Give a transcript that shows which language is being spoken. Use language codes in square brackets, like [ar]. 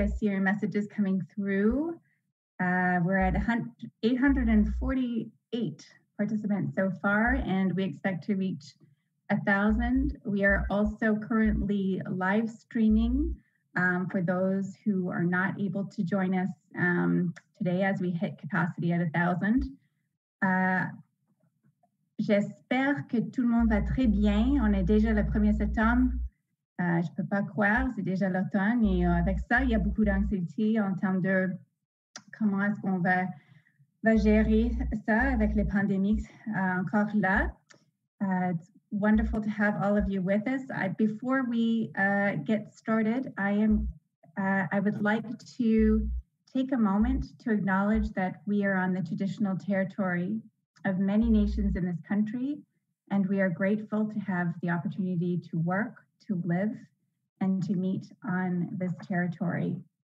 [en] I see your messages coming through. We're at 848 participants so far, and we expect to reach 1,000. We are also currently live streaming for those who are not able to join us today as we hit capacity at 1,000. [fr] J'espère que tout le monde va très bien. On est déjà le 1er septembre. Je ne peux pas croire, c'est déjà l'automne. Et avec ça, il y a beaucoup d'anxiété en termes de comment est-ce qu'on va gérer ça avec les pandémies encore là. [en] Wonderful to have all of you with us. Before we get started, I would like to take a moment to acknowledge that we are on the traditional territory of many nations in this country, and we are grateful to have the opportunity to work, to live, and to meet on this territory.